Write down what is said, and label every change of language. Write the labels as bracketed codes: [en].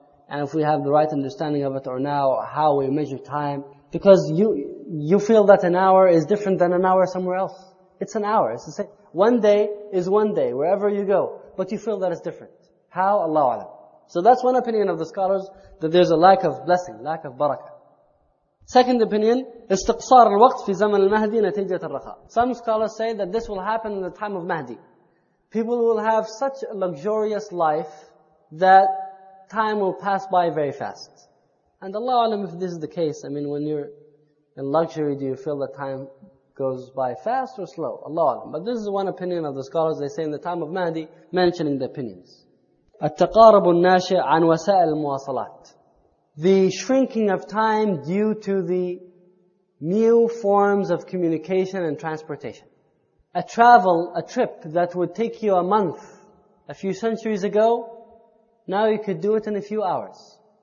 [en] And if we have the right understanding of it or now, how we measure time. Because you feel that an hour is different than an hour somewhere else. It's an hour. It's the same. One day is one day, wherever you go. But you feel that it's different. How? Allahu A'lam. So that's one opinion of the scholars, that there's a lack of blessing, lack of barakah. Second opinion, [ar] استقصار الوقت في زمن المهدي نتيجة الرخاء. [en] Some scholars say that this will happen in the time of Mahdi. People will have such a luxurious life that time will pass by very fast. And Allahu A'lam, if this is the case, I mean, when you're in luxury, do you feel that time goes by fast or slow? Allahu A'lam. But this is one opinion of the scholars, they say in the time of Mahdi, mentioning the opinions. [ar] التقارب الناشئ عن وسائل المواصلات. [en] The shrinking of time due to the new forms of communication and transportation. A trip that would take you a month a few centuries ago, now you could do it in a few hours.